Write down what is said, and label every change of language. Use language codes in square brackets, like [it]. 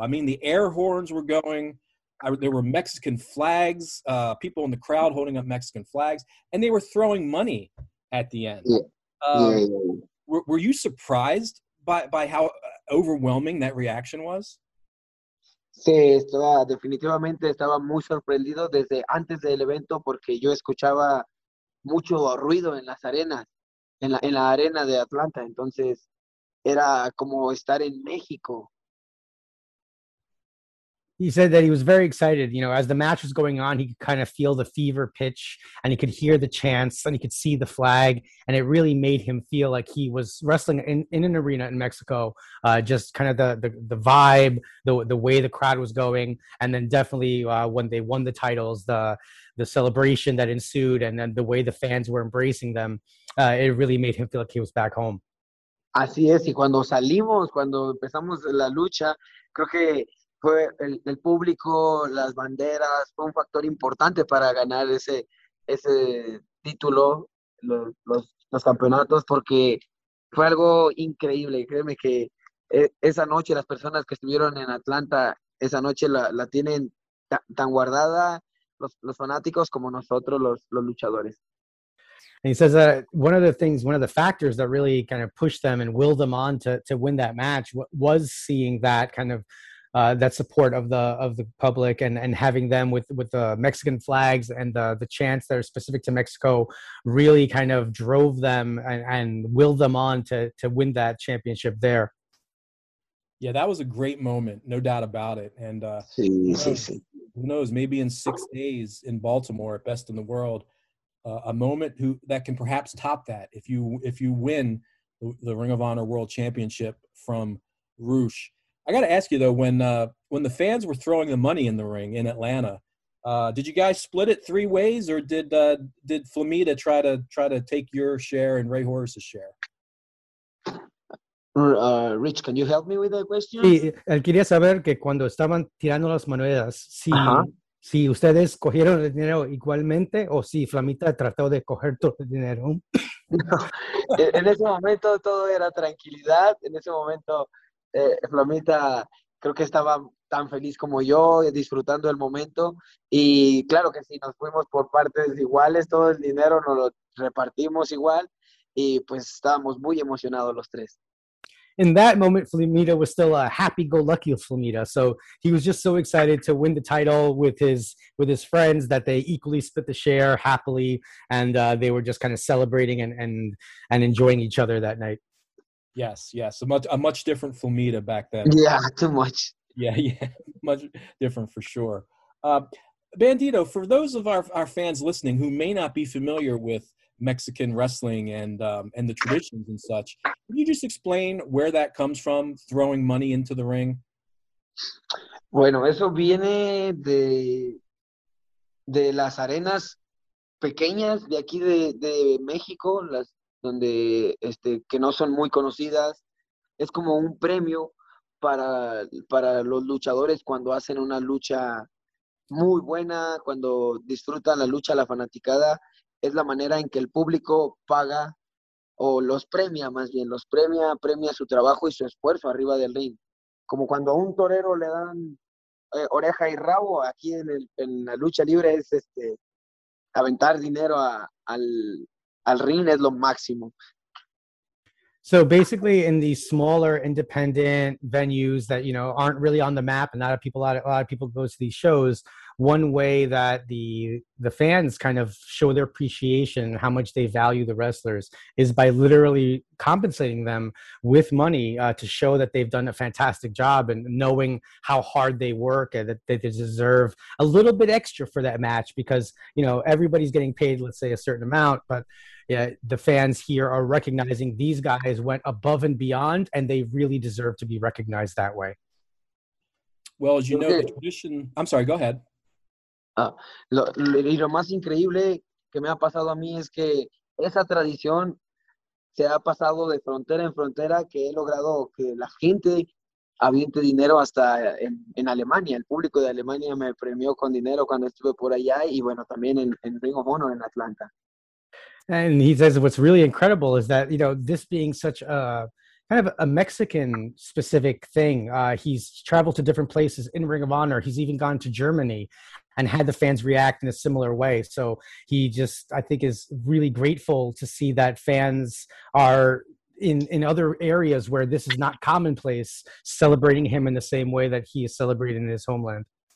[en] I mean, the air horns were going, there were Mexican flags, people in the crowd holding up Mexican flags, and they were throwing money at the end. Were you surprised by how overwhelming that reaction was? [es] Sí, estaba, definitivamente estaba muy sorprendido desde antes del evento, porque yo escuchaba mucho ruido en las arenas, en la arena de Atlanta. Entonces, era como estar en México. [en] He said that he was very excited. You know, as the match was going on, he could kind of feel the fever pitch, and he could hear the chants, and he could see the flag, and it really made him feel like he was wrestling in an arena in Mexico. Just kind of the vibe, the way the crowd was going, and then definitely when they won the titles, the celebration that ensued, and then the way the fans were embracing them, it really made him feel like he was back home. [es] Así es, y cuando salimos, cuando empezamos la lucha, creo que fue el público, las banderas, fue un factor importante para ganar ese título, los campeonatos, porque fue algo increíble. Créeme que esa noche las personas que estuvieron en Atlanta, esa noche la tienen tan guardada, los fanáticos como nosotros, los luchadores. [en] And he says that one of the factors that really kind of pushed them and willed them on to win that match was seeing that kind of that support of the public and having them with the Mexican flags and the chants that are specific to Mexico really kind of drove them and willed them on to win that championship there. Yeah, that was a great moment, no doubt about it. And who knows, maybe in 6 days in Baltimore at Best in the World, a moment that can perhaps top that. If you win the Ring of Honor World Championship from Roosh. I got to ask you, though, when the fans were throwing the money in the ring in Atlanta, did you guys split it three ways, or did Flamita try to take your share and Ray Horace's share? Rich, can you help me with that question? [es] Sí, él quería saber que cuando estaban tirando las monedas, si, si ustedes cogieron el dinero igualmente o si Flamita trató de coger todo el dinero. No, en ese momento todo era tranquilidad. En ese momento Flamita creo que estaba tan feliz como yo, disfrutando el momento. Y claro que sí, nos fuimos por partes iguales, todo el dinero nos lo repartimos igual y pues estábamos muy emocionados los tres. [en] In that moment, Flamita was still a happy-go-lucky Flamita. So he was just so excited to win the title with his friends that they equally split the share happily, and they were just kind of celebrating and enjoying each other that night. Yes, yes. A much different Flamita back then. Yeah, too much. Yeah, yeah. Much different for sure. Bandido, for those of our fans listening who may not be familiar with Mexican wrestling and the traditions and such, can you just explain where that comes from, throwing money into the ring? [es] Bueno, eso viene de las arenas pequeñas de aquí de México, las donde que no son muy conocidas. Es como un premio para los luchadores cuando hacen una lucha muy buena, cuando disfrutan la lucha, la fanaticada. Es la manera en que el público paga o los premia, más bien los premia su trabajo y su esfuerzo arriba del ring, como cuando a un torero le dan oreja y rabo. Aquí en la lucha libre es aventar dinero al ring, es lo máximo. [en] So basically, in these smaller independent venues that, you know, aren't really on the map, and a lot of people go to these shows, one way that the fans kind of show their appreciation and how much they value the wrestlers is by literally compensating them with money to show that they've done a fantastic job, and knowing how hard they work and that they deserve a little bit extra for that match, because, you know, everybody's getting paid, let's say, a certain amount, but yeah, the fans here are recognizing these guys went above and beyond, and they really deserve to be recognized that way. Well, as you know, the tradition... I'm sorry, go ahead. [es] Lo más increíble que me ha pasado a mí es que esa tradición se ha pasado de frontera en frontera, que he logrado que la gente aviente dinero hasta en Alemania. El público de Alemania me premió con dinero cuando estuve por allá, y bueno, también en Ring of Honor en Atlanta. [en] And he says what's really incredible is that, you know, this being such a kind of a Mexican specific thing, he's traveled to different places in Ring of Honor. He's even gone to Germany and had the fans react in a similar way. So he just, I think, is really grateful to see that fans are in other areas where this is not commonplace, celebrating him in the same way that he is celebrated in his homeland.